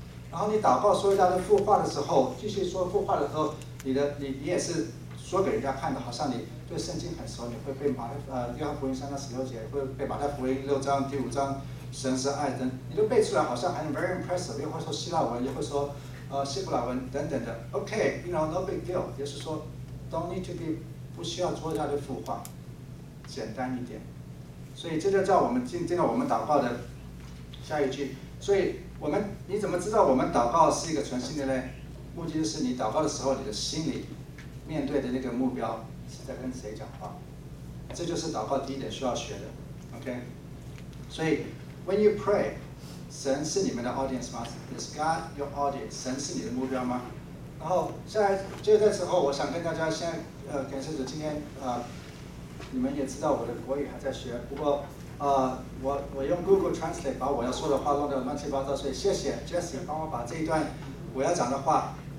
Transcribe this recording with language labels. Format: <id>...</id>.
<zh>然后你祷告说一大堆复话的时候，继续说复话的时候，你也是。说给人家看的，好像你对圣经很熟，你会背马太约翰福音三章十六节，会背马太福音六章第五章神是爱等，你都背出来，好像很</zh> <en>very impressive，</en> <zh>又会说希腊文，又会说希伯来文等等的。</zh> <en>OK， you know no big deal，</en> <zh>也是说</zh> <en>don't need to be，</en> <zh>不需要做一大堆复话，简单一点。所以这就叫我们进到我们祷告的下一句。所以我们你怎么知道我们祷告是一个纯心的呢？目的就是你祷告的时候，你的心里。面对的那个目标是在跟谁讲话，这就是祷告第一点需要学的。</zh> <en>OK，</en> <zh>所以</zh> <en>When you pray，</en> <zh>神是你们的</zh> <en>audience</en> <zh>吗</zh> <en>？Is God your audience？</en> <zh>神是你的目标吗？然后现在就在时候，我想跟大家先感谢主，今天你们也知道我的国语还在学，不过我用 Google Translate 把我要说的话弄得乱七八糟，所以谢谢 Jesse 帮我把这一段我要讲的话。</zh>